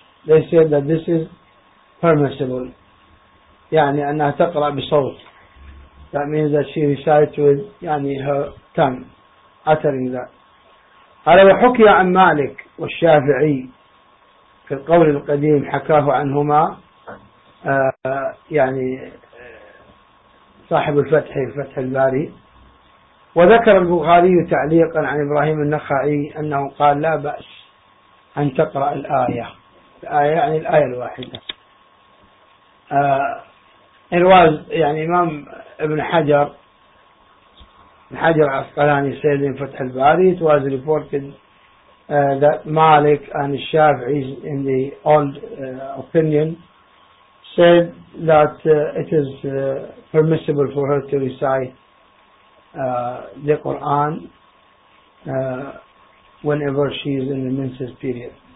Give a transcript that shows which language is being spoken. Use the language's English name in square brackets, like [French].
[English] They said that this is permissible, [Arabic] يعني أنها تقرأ بصوت. [English] That means that she recites with [Arabic] يعني [English] her tongue uttering that. [Arabic] قال وحكي عن مالك والشافعي في القول القديم حكاه عنهما يعني صاحب الفتح فتح الباري. وذكر البخاري تعليقا عن إبراهيم النخعي أنه قال لا بأس أن تقرأ الآية يعني الآية الواحدة. [English] It was [Arabic] يعني [English] إمام ابن حجر العسقلاني said in فتح الباري it was reported that Malik and Shafi'i in the old opinion said that it is permissible for her to recite the Quran whenever she is in the menses period.